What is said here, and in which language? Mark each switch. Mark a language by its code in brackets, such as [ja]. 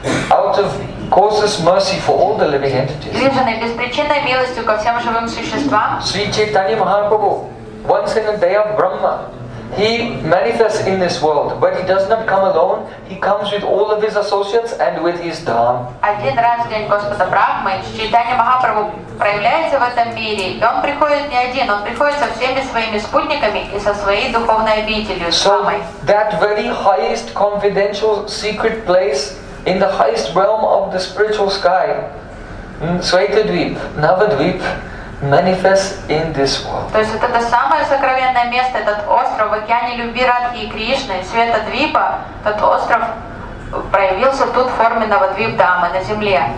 [en] Out of causes mercy for all the living entities. Sri Chaitanya Mahaprabhu, once in a day of Brahma, he manifests in this world, but he does not come alone. He comes with all of his associates and with his dharma. [ru] Один раз в день Господа Брахмы, Чайтанья Махапрабху проявляется в этом мире, и он приходит не один, он приходит со всеми своими спутниками и со своей духовной обителью, с Дхамой. [en] So that very highest confidential secret place in the highest realm of the spiritual sky, Svetadvip, Navadvip, manifest in this world. [ru] То есть вот это самое сокровенное место, этот остров в океане любви Радхи и Кришны, Светадвипа, этот остров проявился тут в форме Навадвип Дамы на земле.